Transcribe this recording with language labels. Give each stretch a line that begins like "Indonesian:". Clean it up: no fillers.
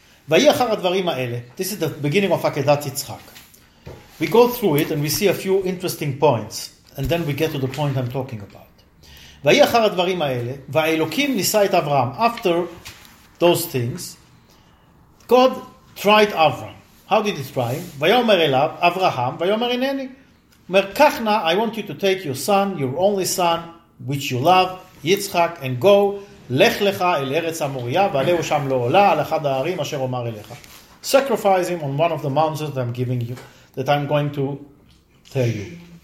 English: Okay. This is the beginning of Akedat Yitzchak. We go through it and we see a few interesting points. And then we get to the point I'm talking about.
Hebrew: ויהי אחר הדברים האלה, והאלוקים נישא את אברהם.
English: After those things, God tried Avram. How did he try?
Hebrew: ויאמר אליו, אברהם, ויאמר הנני. אומר, קח נא,
English: I want you to take your son, your only son, which you love,
Hebrew: יצחק, and go, לך לך אל ארץ המוריה, ועלהו שם לעולה, על אחד הערים אשר אומר אליך.
English: Sacrifice him on one of the mountains that I'm giving you, that I'm going to tell you.